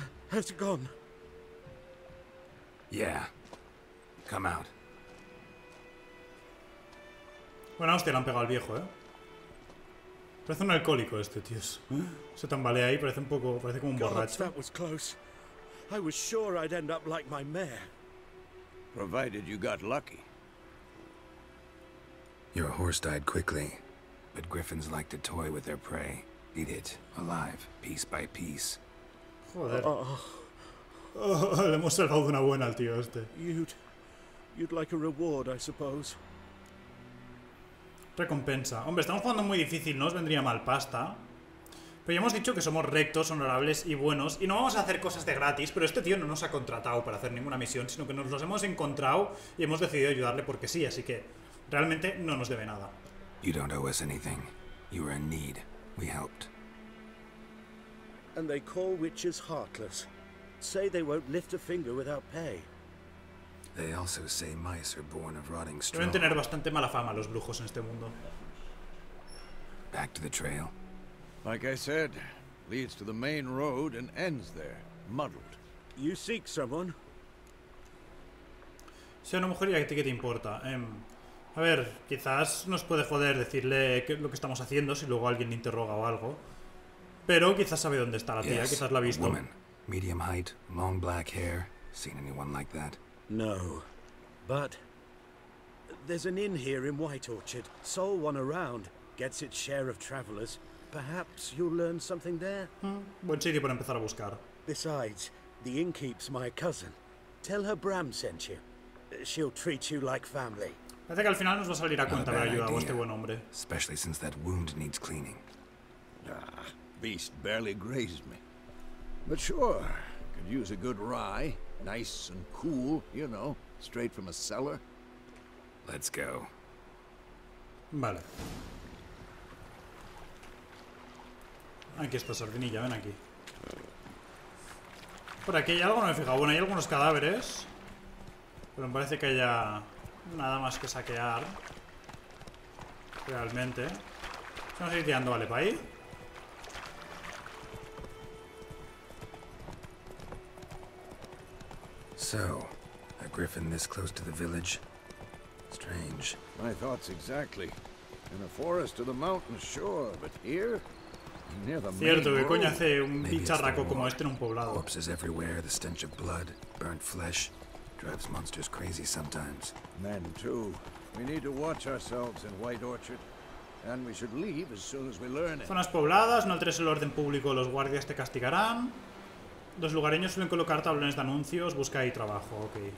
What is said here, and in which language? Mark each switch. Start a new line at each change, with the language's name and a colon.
English: Has gone. Yeah. Come out.
Spanish: Bueno, hostia, le han pegado al viejo, ¿eh? Parece un alcohólico este, tíos. Se tambalea ahí, parece un poco... Parece como un borracho.
English: That was close. I was sure I'd end up like my mare. Provided you got lucky. Your horse died quickly. But griffins like to toy with their prey. Eat it, alive, piece by piece.
Spanish: Joder. Le hemos salvado una buena al tío este.
English: You'd like a reward, I suppose.
Spanish: Recompensa. Hombre, estamos jugando muy difícil, no os vendría mal pasta. Pero ya hemos dicho que somos rectos, honorables y buenos. Y no vamos a hacer cosas de gratis, pero este tío no nos ha contratado para hacer ninguna misión, sino que nos los hemos encontrado y hemos decidido ayudarle porque sí, así que realmente no nos debe nada.
English: You don't owe us anything. You are in need. We helped. And they call witches heartless. Say they won't lift a finger without pay. They also say mice are born of rotting straw.
Spanish: Deben tener bastante mala fama los brujos en este mundo.
English: Back to the trail. Like I said, leads to the main road and ends there, muddled. You seek someone?
Spanish: Sea una mujer y a ti qué te importa. A ver, quizás nos puede joder decirle que lo que estamos haciendo si luego alguien le interroga o algo. Pero quizás sabe dónde está la tía,
English: yes,
Spanish: quizás la ha visto.
English: Woman, medium height, long black hair. Seen anyone like that? No, but there's an inn here in White Orchard. Sole one around, gets its share of travelers. Perhaps you'll learn something there.
Spanish: Buen sitio para empezar a buscar.
English: Besides, the innkeep's my cousin. Tell her Bram sent you. She'll treat you like family.
Spanish: Parece que al final nos va a salir a cuenta haber ayudado a este buen hombre.
English: Especially since that wound needs cleaning. Ah, beast barely grazed me. But sure, could use a good rye. Nice and cool, you know, straight from a cellar. Let's go.
Spanish: Vale. Aquí está Sardinilla, ven aquí. Por aquí hay algo, no me he fijado. Bueno, hay algunos cadáveres. Pero me parece que haya nada más que saquear. Realmente. Vamos a ir tirando, vale, para ahí.
English: So, a griffin this close to the village. Strange. My thoughts exactly. In a forest to the mountain, sure, but here?
Spanish: Cierto, ¿qué coño hace un bicharraco como este en un poblado?
English: Corpses everywhere, the stench of blood, burnt flesh, drives monsters crazy sometimes. Men too. We need to watch ourselves in White Orchard, and we should leave as soon as we learn it.
Spanish: Zonas pobladas, no alteres el orden público, los guardias te castigarán. Los lugareños suelen colocar tablones de anuncios, busca ahí trabajo, ok.